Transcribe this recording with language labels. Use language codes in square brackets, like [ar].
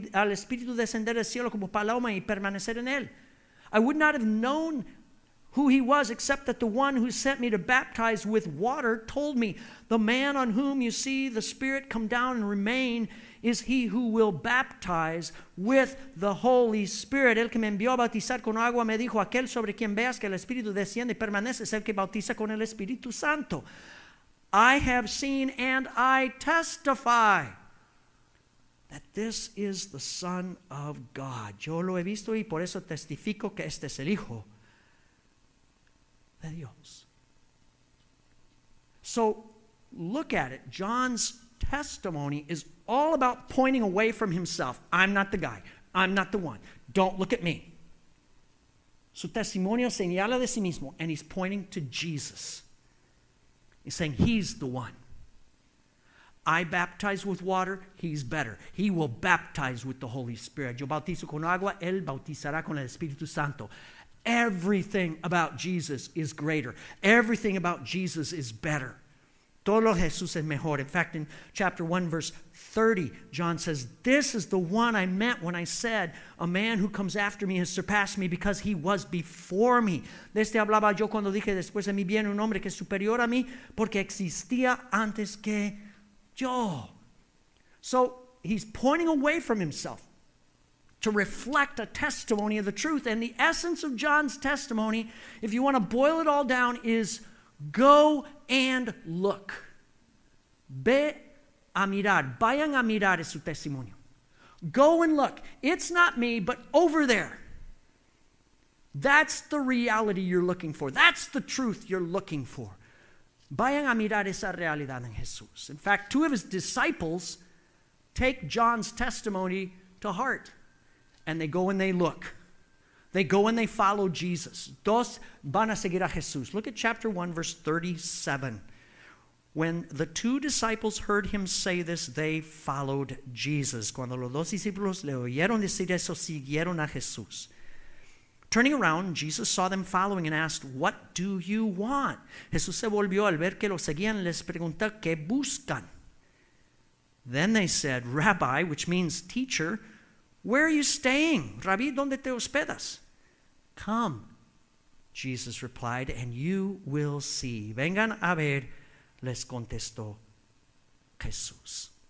[es] Al espíritu descender del cielo como paloma y permanecer en él. [en] I would not have known who he was, except that the one who sent me to baptize with water told me, 'The man on whom you see the Spirit come down and remain is he who will baptize with the Holy Spirit.' [es] El que me envió a bautizar con agua me dijo, 'Aquel sobre quien veas que el Espíritu desciende y permanece es el que bautiza con el Espíritu Santo.' [en] I have seen and I testify that this is the Son of God." [es] Yo lo he visto y por eso testifico que este es el Hijo de Dios. [en] So look at it. John's testimony is all about pointing away from himself. I'm not the guy. I'm not the one. Don't look at me. [es] Su testimonio señala de sí mismo, [en] and he's pointing to Jesus. He's saying, "He's the one. I baptize with water, he's better. He will baptize with the Holy Spirit. [es] Yo bautizo con agua, él bautizará con el Espíritu Santo." [en] Everything about Jesus is greater. Everything about Jesus is better. [es] Todo lo Jesús es mejor. [en] In fact, in chapter 1, verse 30, John says, "This is the one I meant when I said, 'A man who comes after me has surpassed me because he was before me.' [es] De este hablaba yo cuando dije, 'Después de mí viene un hombre que es superior a mí porque existía antes que yo.'" [en] So he's pointing away from himself to reflect a testimony of the truth. And the essence of John's testimony, if you want to boil it all down, is go and look. [es] Ve a mirar. Vayan a mirar es su testimonio. [en] Go and look. It's not me, but over there. That's the reality you're looking for. That's the truth you're looking for. [es] Vayan a mirar esa realidad en Jesús. [en] In fact, two of his disciples take John's testimony to heart. And they go and they look. They go and they follow Jesus. [es] Dos van a seguir a Jesús. [en] Look at chapter 1, verse 37. "When the two disciples heard him say this, they followed Jesus." [es] Cuando los dos discípulos le oyeron decir eso, siguieron a Jesús. [en] "Turning around, Jesus saw them following and asked, 'What do you want?'" [es] Jesús se volvió al ver que los seguían, les preguntó, ¿qué buscan? [en] "Then they said, 'Rabbi,'" which means teacher, "'where are you staying?'" Rabbi, [es] ¿dónde te hospedas? [en] "'Come,' Jesus replied, "'and you will see.'" [es] Vengan a ver, les contestó Jesús.